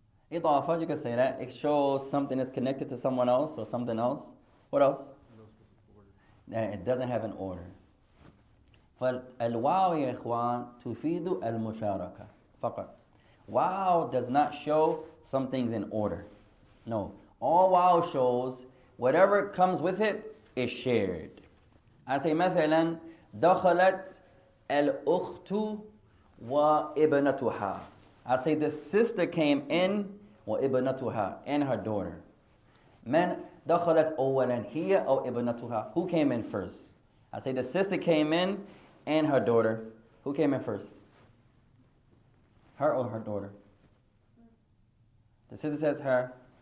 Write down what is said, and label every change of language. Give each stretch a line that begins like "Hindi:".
English: إضافة, you can say that. It shows something is connected to someone else or something else. What else? It doesn't have an order.
Arabic: فالواو يا إخوان تفيد المشاركة فقط.
English: واو does not show some things in order. No. All واو shows, whatever comes with it, is shared. I say
Arabic: مثلا, دخلت الأخت وابنتها.
English: I say the sister came in
Arabic: وابنتها
English: and her daughter.
Arabic: من دخلت أولا هي أو ابنتها?
English: Who came in first? I say the sister came in and her daughter. Who came in first? Her or her daughter? The sister says her.